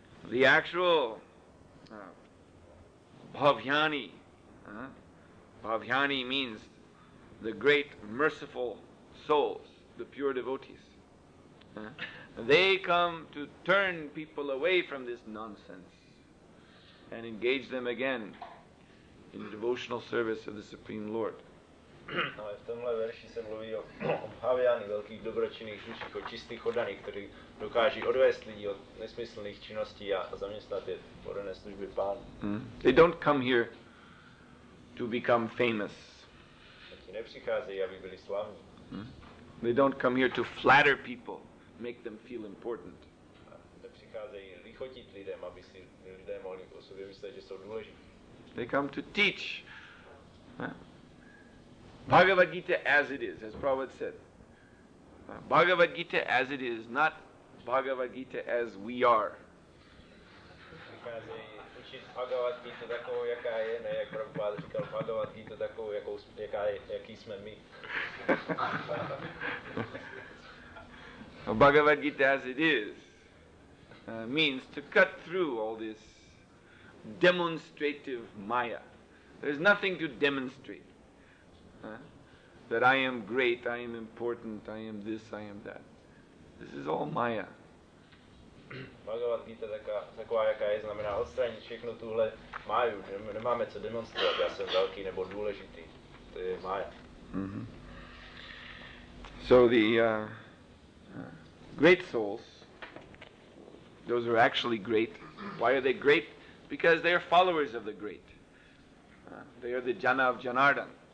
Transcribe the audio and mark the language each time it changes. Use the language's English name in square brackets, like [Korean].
[English] The actual Bhavyani, Bhavyani means the great merciful souls, the pure devotees. They come to turn people away from this nonsense and engage them again in the devotional service of the Supreme Lord. [Czech] No, v tomhle verši se mluví o bhavyani, velkých dobročinných duších, o čistých oddaných, kteří dokáží odvést lidi od nesmyslných činností a zaměstnat je v oddané službě Pánu. [English] They don't come here to become famous. [Czech] Oni nepřicházejí, aby byli slavní. [English] They don't come here to flatter people, make them feel important. [Czech] Nepřicházejí lichotit lidem, aby si lidé mohli o sobě myslet, že jsou důležití. [English] They come to teach Bhagavad Gita as it is, as Prabhupada said. Bhagavad Gita as it is, not Bhagavad Gita as we are. [Czech] Přicházejí učit Bhagavad Gita takovou, jaká je, ne jak Prabhupada říkal, Bhagavad Gita takovou, jakou, jaká je, jaký jsme my. [English] Bhagavad Gita as it is means to cut through all this demonstrative maya. There's nothing to demonstrate that I am great, I am important, I am this, I am that. This is all maya. [Czech] Bhagavad Gita taková, jaká je, znamená odstranit všechno tuhle máju. Nemáme co demonstrovat, já jsem velký nebo důležitý. To je maya. [English] So the great souls, those are actually great. Why are they great? Because they are followers of the great. They are the jana of Janardan.